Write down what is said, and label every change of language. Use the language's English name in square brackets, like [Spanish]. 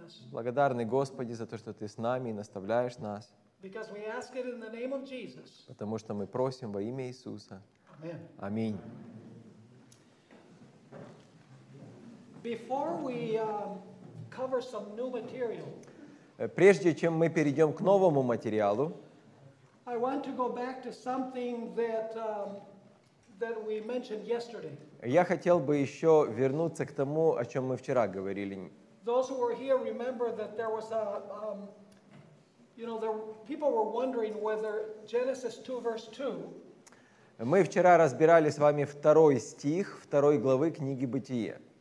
[Russian] Благодарны, Господи, за то, что Ты с нами и наставляешь нас. Потому что мы просим во имя Иисуса. Аминь. [English] Before we cover some new material, [Russian] прежде чем мы перейдем к новому материалу, [English] I want to go back to something that that we mentioned yesterday. [Russian] Я хотел бы еще вернуться к тому, о чем мы вчера говорили. [English] Those who were here remember that there was a, people were wondering whether Genesis 2 verse 2. [Russian] Мы вчера разбирали с вами второй стих, второй главы книги Бытие.